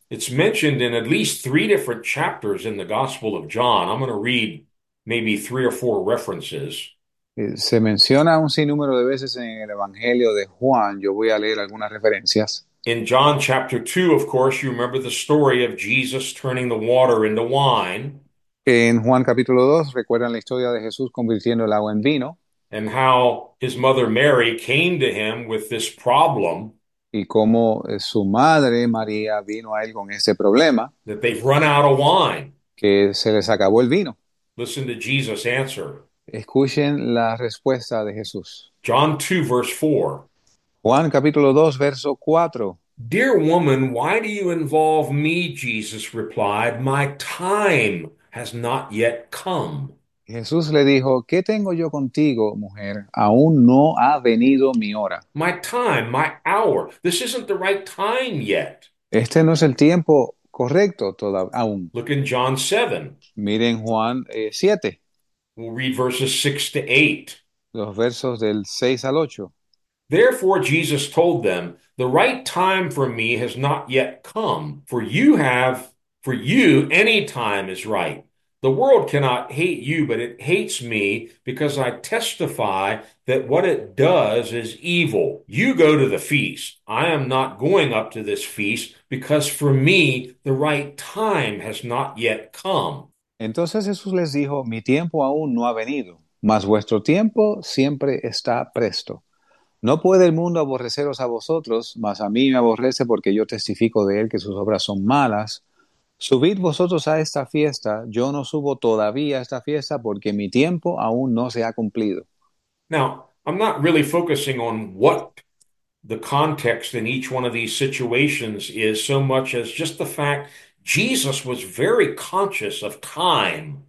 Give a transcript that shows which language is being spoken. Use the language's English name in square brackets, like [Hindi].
[English] It's mentioned in at least three different chapters in the Gospel of John. I'm going to read maybe three or four references. [Spanish] Se menciona un sinnúmero de veces en el Evangelio de Juan. Yo voy a leer algunas referencias. [English] In John chapter 2, of course, you remember the story of Jesus turning the water into wine. [Spanish] En Juan capítulo 2, recuerdan la historia de Jesús convirtiendo el agua en vino. [English] And how his mother Mary came to him with this problem [Spanish] Y cómo su madre María vino a él con ese problema, [English] that they've run out of wine. [Spanish] que se les acabó el vino. [English] Listen to Jesus' answer. [Spanish] Escuchen la respuesta de Jesús. [English] John 2, verse 4. [Spanish] Juan capítulo 2, verso 4. [English] Dear woman, why do you involve me? Jesus replied, my time has not yet come. [Spanish] Jesús le dijo, ¿qué tengo yo contigo, mujer? Aún no ha venido mi hora. [English] My time, my hour. This isn't the right time yet. [Spanish] Este no es el tiempo correcto todavía aún. [English] Look in John 7. [Spanish] Miren Juan 7, [English] We'll read verses 6 to 8. [Spanish] los versos del 6 al 8. [English] Therefore, Jesus told them, the right time for me has not yet come. For you, any time is right. The world cannot hate you, but it hates me because I testify that what it does is evil. You go to the feast. I am not going up to this feast because for me, the right time has not yet come. [Spanish] Entonces Jesús les dijo, mi tiempo aún no ha venido, mas vuestro tiempo siempre está presto. No puede el mundo aborreceros a vosotros, mas a mí me aborrece porque yo testifico de él que sus obras son malas. Subid vosotros a esta fiesta, yo no subo todavía a esta fiesta porque mi tiempo aún no se ha cumplido. [English] Now, I'm not really focusing on what the context in each one of these situations is so much as just the fact Jesus was very conscious of time.